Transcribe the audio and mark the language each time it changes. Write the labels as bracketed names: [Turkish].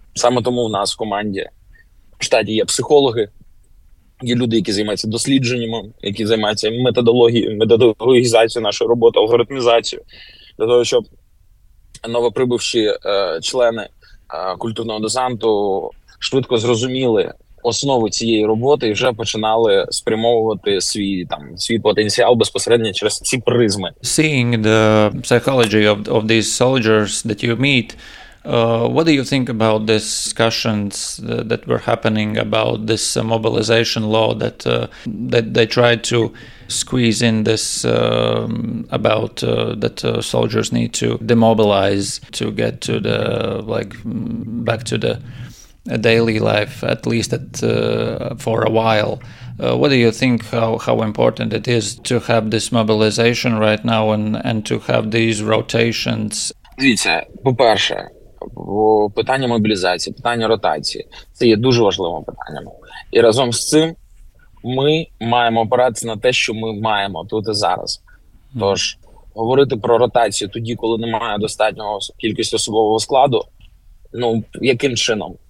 [Ukrainian] Саме тому в нас в команді в штаті є психологи, є люди, які займаються дослідженнями, які займаються методологізацією нашої роботи, алгоритмізацією, для того, щоб новоприбувші члени культурного десанту швидко зрозуміли основу цієї роботи і вже починали спрямовувати свій потенціал безпосередньо через ці призми. [English] Seeing the psychology of these soldiers that you meet, what do you think about these discussions that were happening about this mobilization law that that they tried to squeeze in this about that soldiers need to demobilize to get to the like back to the daily life at least at for a while. What do you think how important it is to have this mobilization right now and to have these rotations? [Ukrainian] Дивіться, по-перше, питання мобілізації, питання ротації – це є дуже важливим питанням. І разом з цим ми маємо опиратися на те, що ми маємо тут і зараз. Тож, говорити про ротацію тоді, коли немає достатнього кількості особового складу, ну, яким чином?